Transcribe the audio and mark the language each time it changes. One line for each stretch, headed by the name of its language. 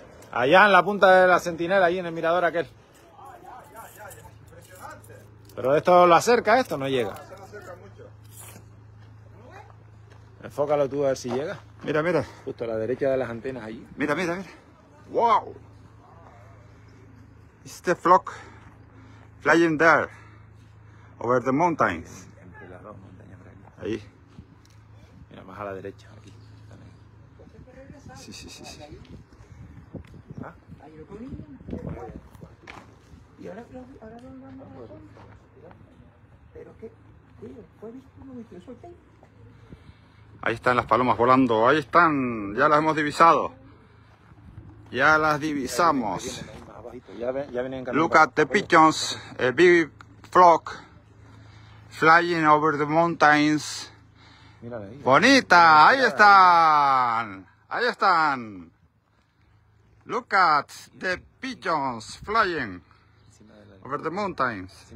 Spanish: Allá en la punta de la Centinela, ahí en el mirador aquel. Ya. Impresionante. Pero esto lo acerca, esto no llega. Enfócalo tú a ver si llega. Mira. Justo a la derecha de las antenas allí. Mira. ¡Wow!
English: It's the flock flying there over the mountains.
Spanish: Entre las dos montañas por aquí. Ahí. Mira, más a la derecha. Aquí. Sí. ¿Y ahora dónde vamos? ¿Pero qué? ¿Fue visto? ¿No viste eso? Ahí están las palomas volando, ahí están, ya las hemos divisado. Ya las divisamos.
English: Look at the pigeons, a big flock flying over the mountains.
Spanish: Bonita, ahí están.
English: Look at the pigeons flying over the mountains.